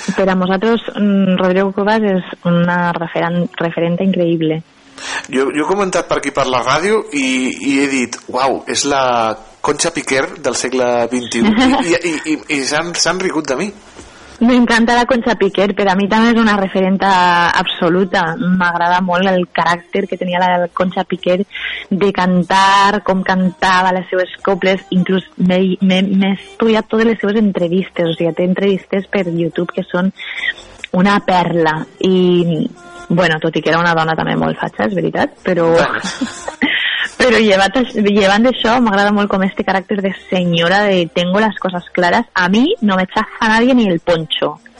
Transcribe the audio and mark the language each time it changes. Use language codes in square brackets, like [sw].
[es] Pero a nosotros Rodrigo Cuevas es una referente increíble. [ca] Yo he comentat per aquí per la ràdio i he dit, "Wow, és la Concha Piquer del segle 21." I s'han rigut de mi. [es] Me encanta la Concha Piquer, pero a mí también es una referente absoluta. [ca] Me agrada molt el caràcter que tenia la Concha Piquer de cantar, com cantava les seves coples, inclús m'he estudiat totes les seves entrevistes, o sigui, té entrevistes per YouTube que són una perla. I, bueno, tot i que era una dona també molt fatxa, és veritat, però... [es] Pero llevando eso, me agrada mucho con este carácter de señora, de tengo las cosas claras. A mí no me chafa nadie ni el poncho.